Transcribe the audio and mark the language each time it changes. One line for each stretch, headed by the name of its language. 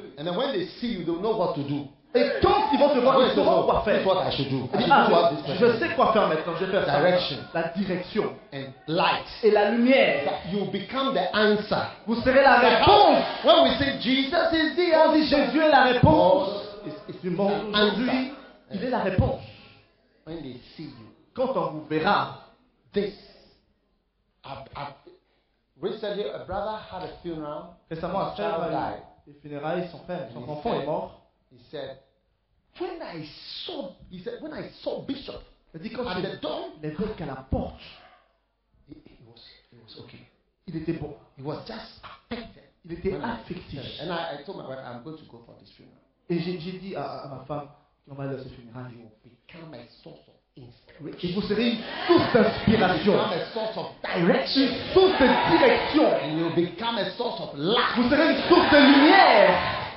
English: And then when they see you, they don't know what to do.
French: Et quand ils vont te voir, ils sauront quoi faire.
English: What I should do.
French: Je sais quoi faire maintenant. Je vais faire
English: direction.
French: La direction.
English: And light.
French: Et la lumière.
English: You become the answer.
French: Vous serez la réponse.
English: When we say Jesus is the
French: answer. On dit Jésus est la réponse.
English: It's the bon
French: answer. Il est la réponse.
English: When they see you.
French: Quand on vous verra.
English: This. Recently, a brother had a funeral.
French: Récemment, un frère a eu des funérailles. Son frère, son enfant est mort.
English: He said, "When I saw," he said, "when I saw Bishop at the door,
French: les gars qu'à la porte,
English: he was okay.
French: Il était bon.
English: He was just affected.
French: Il était affecté.
English: And I told my wife, I'm going to go for this funeral.
French: Et j'ai dit à ma femme qu'on va aller à ce funeral.
English: You become a source of inspiration.
French: Et vous serez une source d'inspiration.
English: You become a source of direction.
French: Une source de direction.
English: And you become a source of light.
French: Vous serez une source de lumière."